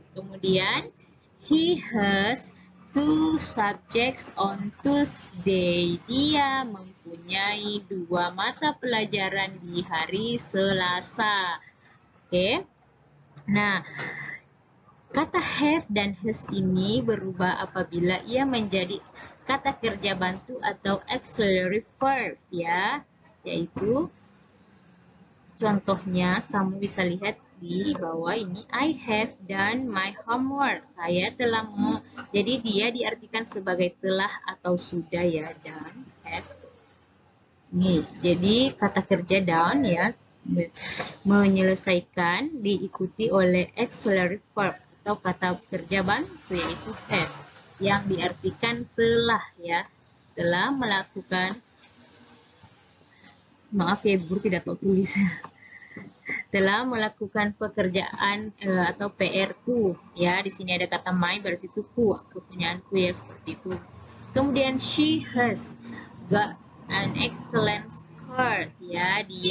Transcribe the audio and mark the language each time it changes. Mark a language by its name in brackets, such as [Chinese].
[Indonesian] Kemudian [English] he has two subjects on Tuesday. [Indonesian] Dia mempunyai dua mata pelajaran di hari Selasa. Oke. Nah, kata have dan has ini berubah apabila ia menjadi kata kerja bantu atau auxiliary verb ya, yaitu contohnya kamu bisa lihat di bawah ini, [English] I have done my homework. [Indonesian] Saya telah jadi dia diartikan sebagai telah atau sudah ya, done, have. Nih, jadi kata kerja done ya, menyelesaikan diikuti oleh auxiliary verb atau kata kerja bantu, yaitu has, yang diartikan telah ya, telah melakukan. Maaf ya, Bu, tidak tahu tulis. Telah melakukan pekerjaan atau PR-ku ya. Di sini ada kata my, berarti itu ku, kepunyaanku ya, seperti itu. Kemudian [English] she has got an excellent score ya.